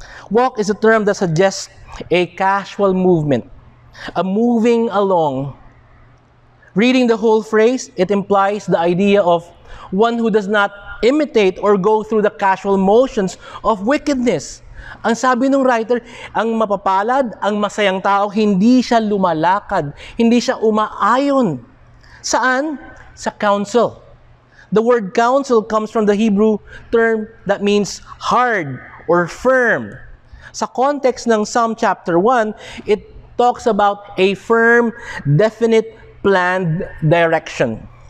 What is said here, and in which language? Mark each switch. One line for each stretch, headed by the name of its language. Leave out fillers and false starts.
English: Walk is a term that suggests a casual movement, a moving along. Reading the whole phrase, it implies the idea of one who does not imitate or go through the casual motions of wickedness.
Filipino: Ang sabi ng writer, ang mapapalad, ang masayang tao, hindi siya lumalakad, hindi siya umaayon. Saan? Sa counsel.
English: The word counsel comes from the Hebrew term that means hard or firm.
Filipino: Sa context ng
English: Psalm chapter 1, it talks about a firm, definite, planned direction.